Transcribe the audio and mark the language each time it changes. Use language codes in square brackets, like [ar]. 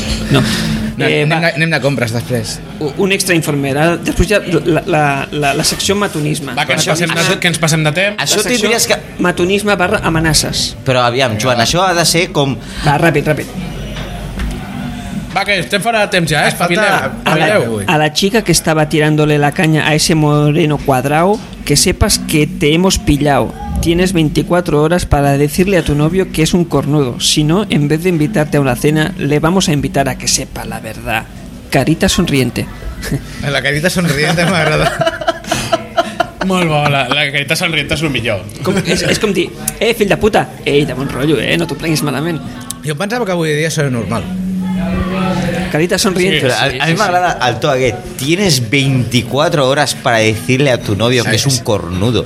[ca] No. Anem de compres després. Un extra informer. Després ja la secció matonisme. Va, que ens passem de temps. Això tindries que... Matonisme / amenaces. Però aviam, Joan, això ha de ser com... Va, ràpid. Va, que estem fora de temps ja, eh? [es] A la chica que estava tirándole la caña a ese moreno cuadrado, que sepas que te hemos pillado. Tienes 24 horas para decirle a tu novio que es un cornudo. Si no, en vez de invitarte a una cena, le vamos a invitar a que sepa la verdad. Carita sonriente. La carita sonriente [ca] m'agrada. Molt bo, [es] la carita sonriente [ca] és el millor. Com, és com dir, fill de puta, de bon rotllo, no t'ho prenguis malament. Jo pensava que avui dia això era normal. [es] Carita sonriente. [ca] Sí, a mi m'agrada el to aquest. [es] Tienes 24 horas para decirle a tu novio que es un cornudo.